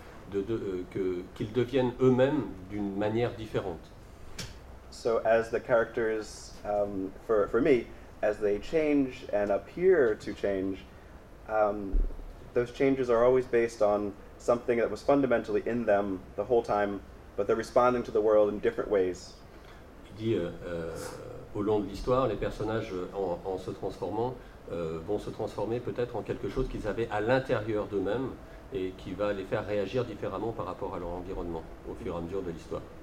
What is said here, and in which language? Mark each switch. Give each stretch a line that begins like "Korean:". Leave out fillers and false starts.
French: C'est plutôt qu'ils deviennent eux-mêmes d'une manière différente.
English: So as the characters, for me, as they change and appear to change, those changes are always based on something that was fundamentally in them the whole time, but they're responding to the world in different ways.
French: Il dit, au long de l'histoire, les personnages, en se transformant, vont se transformer peut-être en quelque chose qu'ils avaient à l'intérieur d'eux-mêmes et qui va les faire réagir différemment par rapport à leur environnement au fur et à mesure de l'histoire.